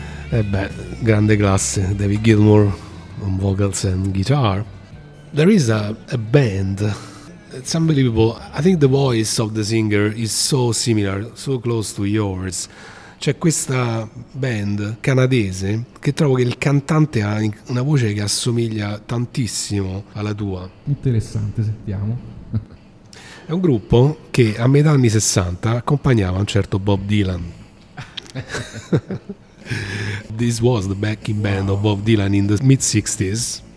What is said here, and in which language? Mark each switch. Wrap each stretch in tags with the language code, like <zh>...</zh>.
<it>E beh, grande classe,</it> <en>David Gilmour on vocals and guitar. There is a band, it's unbelievable. I think the voice of the singer is so similar, so close to yours.</en> <it>C'è questa band canadese che trovo che il cantante ha una voce che assomiglia tantissimo alla tua. Interessante, sentiamo. È un gruppo che a metà anni 60 accompagnava un certo Bob Dylan.</it> <en>This was the backing band of Bob Dylan in the mid-60s.</en>